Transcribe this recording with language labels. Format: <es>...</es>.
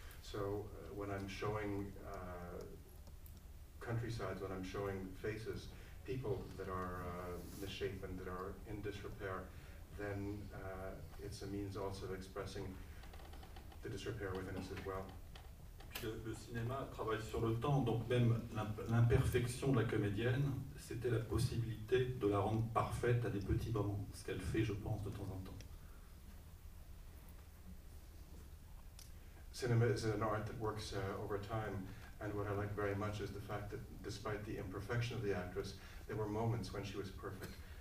<en>So when I'm showing countrysides, when I'm showing faces, people that are misshapen, that are in disrepair, then it's a means also of expressing the disrepair within us as well.</en> <fr>Le cinéma travaille sur le temps, donc même l'imperfection de la comédienne, c'était la possibilité de la rendre parfaite à des petits moments, ce qu'elle fait, je pense, de temps en temps.</fr> <en>Cinema is an art that works over time. And what I like very much is the fact that despite the imperfection of the actress, there were moments when she was perfect.</en>